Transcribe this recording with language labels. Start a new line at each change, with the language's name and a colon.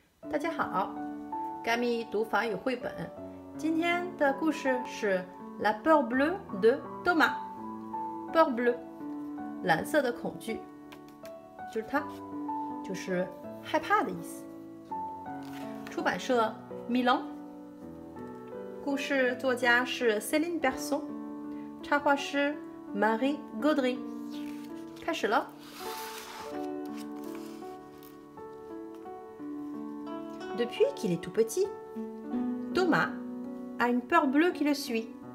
Chinese: 大家好，甘蜜读法语绘本。今天的故事是《La peur bleue de Thomas》。 Peur bleue， 蓝色的恐惧，就是它，就是害怕的意思。出版社米龙。故事作家是 Céline Berson， 插画师 Marie Gaudry。开始了。
French: Depuis qu'il est tout petit, Thomas a une peur bleue qui le suit.